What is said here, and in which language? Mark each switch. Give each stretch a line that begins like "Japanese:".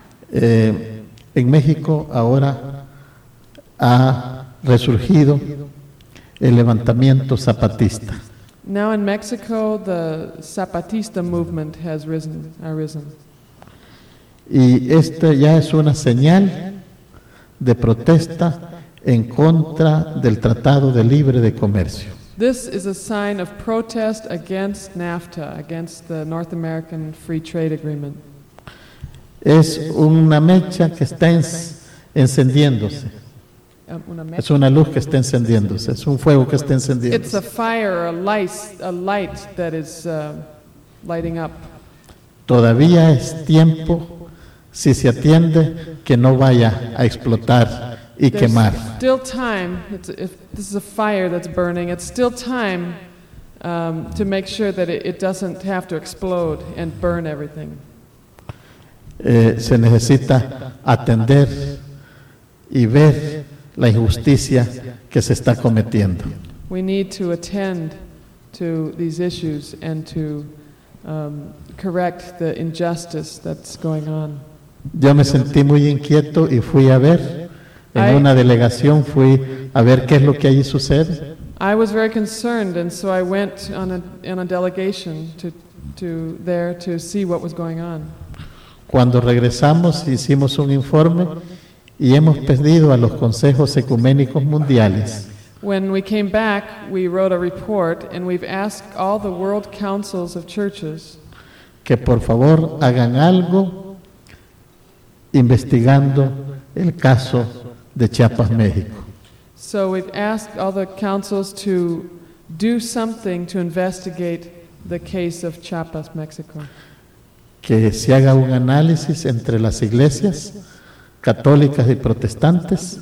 Spanish: En México ahora ha resurgido el levantamiento zapatista.
English: Now in Mexico, the Zapatista movement has arisen.
Spanish: Y esta ya es una señal de protesta en contra del Tratado de Libre de Comercio.
English: This is a sign of protest against NAFTA, against the North American Free Trade Agreement.
Spanish: Es una mecha que está encendiéndose. Es una luz que está encendiéndose. Es un fuego que está encendiéndose.
English: It's a fire, a light that is lighting up.
Spanish: Todavía es tiempo, si se atiende, que no vaya a explotar y quemar.
English: There's still time. If this is a fire that's burning, it's still time to make sure that it doesn't have to explode and burn everything.
Spanish: Se necesita atender y ver la injusticia que se está cometiendo.
English: We need to attend to these issues and to correct the injustice that's going on.
Spanish: Yo me sentí muy inquieto y fui a ver, en una delegación fui a ver qué es lo que allí sucede.
English: I was very concerned, and so I went on a delegation to there to see what was going on.
Spanish: Cuando regresamos hicimos un informe y hemos pedido a los consejos ecuménicos mundiales.
English: When we came back, we wrote a report and we've asked all the world councils of churches
Spanish: que por favor hagan algo investigando el caso de Chiapas, México.
English: So we've asked all the councils to do something to investigate the case of Chiapas, Mexico.
Spanish: Que se haga un análisis entre las iglesias católicas y protestantes.